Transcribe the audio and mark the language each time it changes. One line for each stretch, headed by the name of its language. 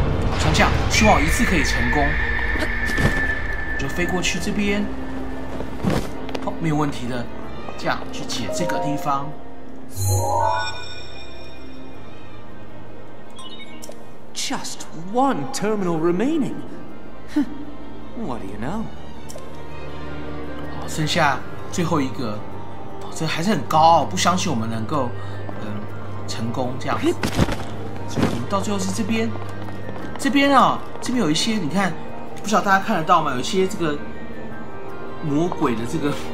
Chinese: 好像这样，希望一次可以成功，就飞过去这边，哦，没有问题的，这样去挤这个地方。
English: Just one terminal remaining. What do you know?
Chinese: 好，剩下最后一个，哦，这还是很高傲，不相信我们能够，成功这样子。所以我们到最后是这边，这边啊，这边有一些，你看，不知道大家看得到吗？有一些这个魔鬼的这个